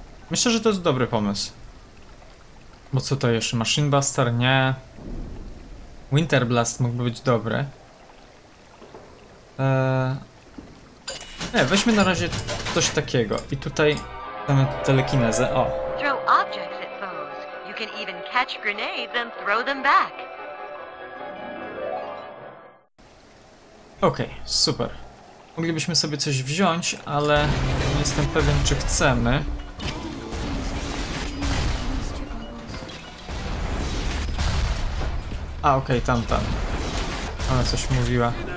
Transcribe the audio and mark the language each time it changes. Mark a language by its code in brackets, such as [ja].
[pl] Myślę, że to jest dobry pomysł. Bo co to jeszcze? Machine Buster? Nie. Winter Blast mógłby być dobry. Weźmy na razie coś takiego. I tutaj mamy telekinezę. [en] O. Throw objects at foes. You can even catch grenades and throw them back. Okej, okay, super. [pl] Moglibyśmy sobie coś wziąć, ale nie jestem pewien, czy chcemy. A, okej, okay, tamta. Ona coś mówiła.